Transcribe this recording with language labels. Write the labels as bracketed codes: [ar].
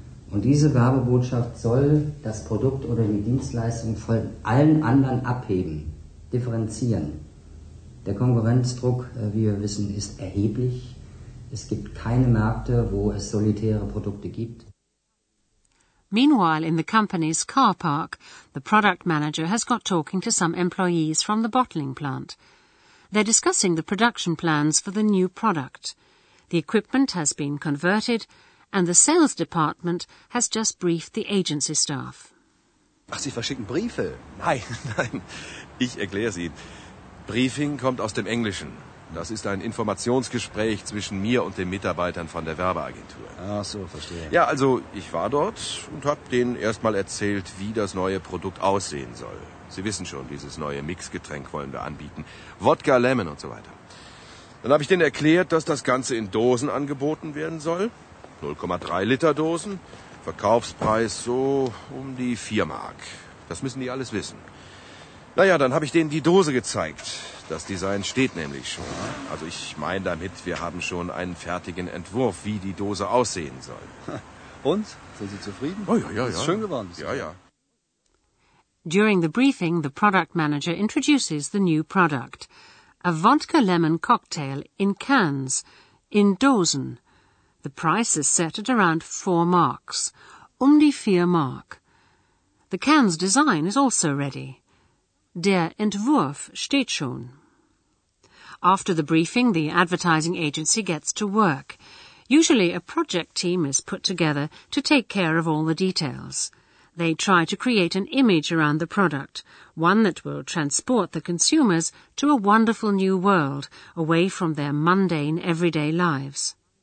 [de] Und diese Werbebotschaft soll das Produkt oder die Dienstleistung von allen anderen abheben, differenzieren. Der Konkurrenzdruck, wie wir wissen, ist erheblich. Es gibt keine Märkte, wo es solitäre Produkte gibt. [en] Meanwhile, in the company's car park, the product manager has got talking to some employees from the bottling plant. They're discussing the production plans for the new product. The equipment has been converted, and the sales department has just briefed the agency staff. [de] Ach, Sie verschicken Briefe? Nein, nein. Ich erkläre Sie. Briefing kommt aus dem Englischen. Das ist ein Informationsgespräch zwischen mir und den Mitarbeitern von der Werbeagentur. Ach so, verstehe. Ja, also ich war dort und habe denen erstmal erzählt, wie das neue Produkt aussehen soll. Sie wissen schon, dieses neue Mixgetränk wollen wir anbieten. Wodka, Lemon und so weiter. Dann habe ich denen erklärt, dass das Ganze in Dosen angeboten werden soll. 0,3 Liter Dosen. Verkaufspreis so um die 4 Mark. Das müssen die alles wissen. Naja, dann habe ich denen die Dose gezeigt. Das Design steht nämlich schon. Also ich meine damit, wir haben schon einen fertigen Entwurf, wie die Dose aussehen soll. Und? Sind Sie zufrieden? Oh ja, ja, ja. Ist schön geworden. Ja, ja. [en] During the briefing, the product manager introduces the new product, a vodka lemon cocktail in cans, [de] in Dosen. [en] The price is set at around 4 marks, [de] um die 4 Mark. [en] The can's design is also ready. [de] Der Entwurf steht schon. [en] After the briefing, the advertising agency gets to work. Usually a project team is put together to take care of all the details. They try to create an image around the product, one that will transport the consumers to a wonderful new world, away from their mundane everyday lives.